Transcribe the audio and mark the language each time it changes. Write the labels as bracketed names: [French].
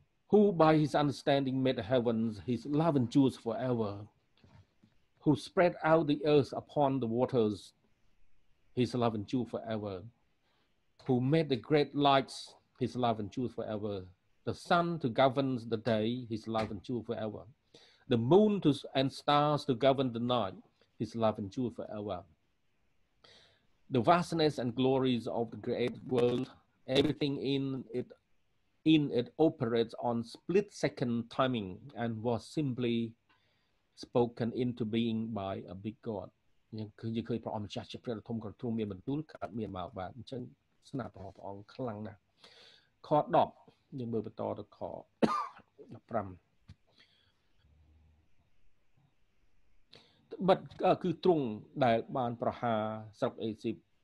[English] Who by his understanding made the heavens his love endures forever who spread out the earth upon the waters his love endures forever who made the great lights his love endures forever the sun to govern the day his love endures forever the moon to and stars to govern the night his love endures forever the vastness and glories of the great world everything in it in it operates on split second timing and was simply spoken into being by a big God. [Khmer] យើងឃើញឃើញព្រះអម្ចាស់ជាព្រះធំក៏ទ្រង់មានបន្ទូលកើតមានមកបាទអញ្ចឹងស្នាព្រះព្រះអង្គខ្លាំងណាស់ខ10យើងមើលបន្តទៅខ15បាទគឺទ្រង់ដែលបានប្រហារស្រុកអេស៊ីប